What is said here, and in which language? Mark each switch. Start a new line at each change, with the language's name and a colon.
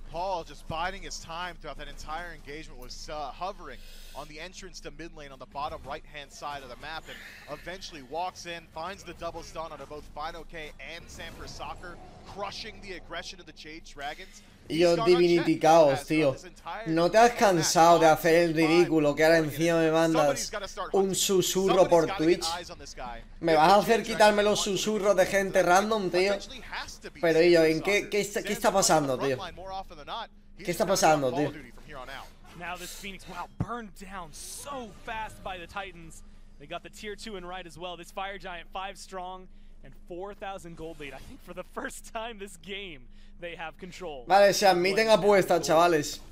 English: Paul just biding his time throughout that entire engagement, was hovering on the entrance to mid lane on the bottom right hand side of the map, and eventually walks in, finds the double stun onto both Fine OK and Sampras Soccer, crushing the aggression of the Jade Dragons.
Spanish: Yo, Divinity Chaos, tío. ¿No te has cansado de hacer el ridículo que ahora encima me mandas un susurro por Twitch? ¿Me vas a hacer quitarme los susurros de gente random, tío? Pero, ¿qué está pasando, tío? ¿Qué está pasando, tío?
English: Now this Phoenix, wow, burned down so fast by the Titans. They got the tier 2 in right as well. This Fire Giant, 5 strong and 4,000 gold lead. I think for the first time this game, they have control.
Spanish: Vale, se admiten apuestas, chavales.